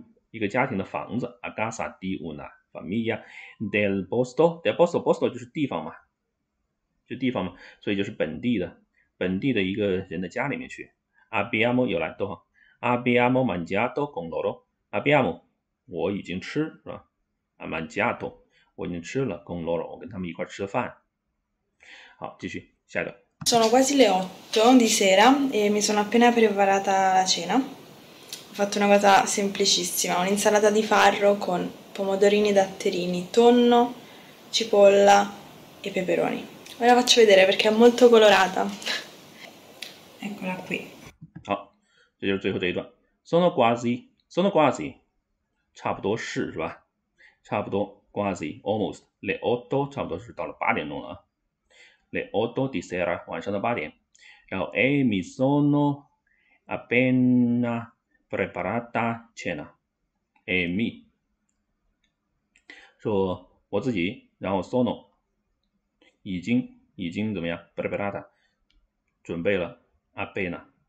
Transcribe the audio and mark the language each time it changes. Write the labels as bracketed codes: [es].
[zh] 一个家庭的房子 [it] a casa di una famiglia del posto [zh] del posto 就是地方嘛，就地方嘛，所以就是本地的一个人的家里面去。 abbiamo 有来多好， [it] abbiamo mangiato con loro， [zh] abbiamo 我已经吃是吧？mangiato 我已经吃了，con loro 我跟他们一块吃的饭。好，继续下一个。 [it] Sono quasi le 8 di sera e mi sono appena preparata la cena. Ho fatto una cosa semplicissima, un'insalata di farro con pomodorini datterini, tonno, cipolla e peperoni. Ve la faccio vedere perché è molto colorata. Eccola qui. [zh] 这就是最后这一段， [it] sono quasi， [zh] 差不多是吧？差不多，quasi almost le otto，差不多是到了8点钟了啊。 [it] le otto di sera， [zh] 晚上的8点。 然后， [it] e mi sono appena preparata cena， [zh] e mi，说我自己，然后 sono 已经怎么样？preparata 准备了，appena。